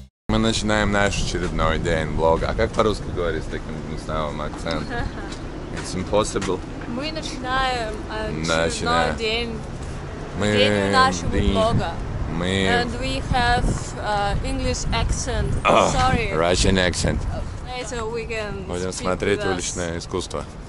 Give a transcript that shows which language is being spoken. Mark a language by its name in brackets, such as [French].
[Russian] Начинаем наш очередной день влога. А как по-русски говорить с таким гнусавым акцентом? [English] It's impossible. [Russian] Мы начинаем очередной день нашего влога. [English] And we have English accent. Sorry. Russian accent. Later we can [Russian] будем смотреть уличное искусство.